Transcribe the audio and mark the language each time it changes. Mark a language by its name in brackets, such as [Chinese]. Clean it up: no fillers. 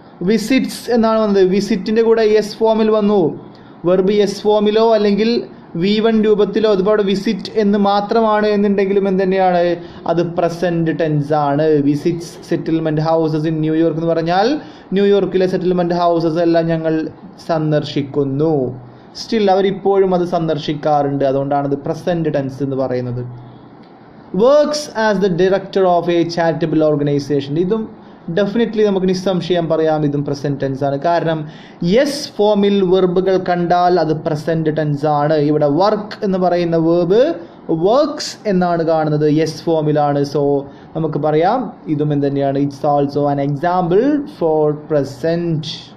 [Malayalam] Visits എന്നാണ് വന്നത്, വിസിറ്റിൻ്റെ കൂടെ എസ് ഫോമിൽ വന്നു, വെർബ് എസ് ഫോമിലോ അല്ലെങ്കിൽ വി വൺ രൂപത്തിലോ, അതുപോലെ വിസിറ്റ് എന്ന് മാത്രമാണ് എന്നുണ്ടെങ്കിലും എന്തുതന്നെയാണ്, അത് പ്രസൻറ്റ് ടെൻസ് ആണ്. [English] visits settlement houses in New York [Malayalam] എന്ന് പറഞ്ഞാൽ ന്യൂയോർക്കിലെ സെറ്റിൽമെൻറ്റ് ഹൗസസ് എല്ലാം ഞങ്ങൾ സന്ദർശിക്കുന്നു. സ്റ്റിൽ അവരിപ്പോഴും അത് സന്ദർശിക്കാറുണ്ട്, അതുകൊണ്ടാണ് അത് പ്രസൻറ്റ് ടെൻസ് എന്ന് പറയുന്നത്. [English] Works as the director of a charitable organization. [Malayalam] ഇതും ഡെഫിനറ്റ്ലി നമുക്ക് നിസ്സംശയം പറയാം ഇതും പ്രസൻറ്റ് ടെൻസ് ആണ്. കാരണം യെസ് ഫോമിൽ വെർബുകൾ കണ്ടാൽ അത് പ്രസൻറ്റ് ടെൻസ് ആണ്. ഇവിടെ വർക്ക് എന്ന് പറയുന്ന വേർബ് വർക്ക്സ് എന്നാണ് കാണുന്നത്, യെസ് ഫോമിലാണ്. [English] so [Malayalam] നമുക്ക് പറയാം ഇതും എന്തുതന്നെയാണ്, [English] It's also an example for present.